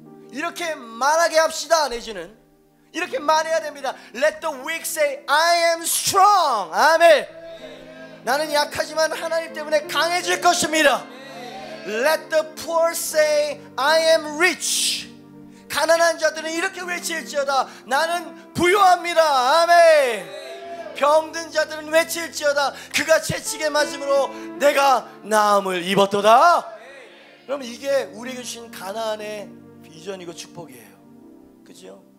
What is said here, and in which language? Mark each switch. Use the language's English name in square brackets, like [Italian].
[Korean] 이렇게 말하게 합시다 내지는 이렇게 말해야 됩니다. [English] Let the weak say I am strong. [Korean] 아멘. 나는 약하지만 하나님 때문에 강해질 것입니다. [English] Let the poor say I am rich. [Korean] 가난한 자들은 이렇게 외칠지어다 나는 부유합니다. 아멘. 병든 자들은 외칠지어다 그가 채찍에 맞음으로 내가 나음을 입었도다. 그럼 이게 우리에게 주신 가나안의 비전이고 축복이에요. 그죠?